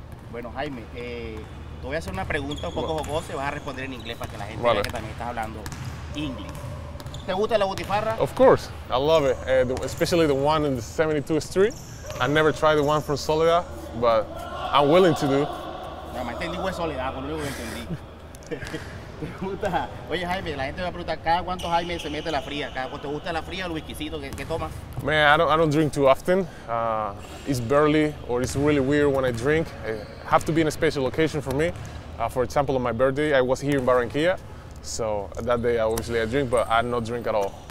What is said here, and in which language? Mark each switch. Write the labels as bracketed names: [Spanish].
[Spanish] Bueno, Jaime, te voy a hacer una pregunta un poco jocosa y vas a responder en inglés para que la gente vea que también estás hablando inglés. ¿Te gusta la butifarra? [English] Of course, I love it. Especially the one in the 72 Street. I never tried the one from Soledad, but I'm willing to do. [Spanish] Nada más entendí fue Soledad, por lo único que entendí. Oye, Jaime, la gente me va a preguntar, ¿cada cuánto Jaime se mete la fría? ¿Te gusta la fría o el whiskycito? ¿Qué tomas? [English] Man, I don't drink too often. It's barely, or it's really weird when I drink. I have to be in a special location for me. For example, on my birthday, I was here in Barranquilla. So that day, obviously, I drink, but I don't drink at all.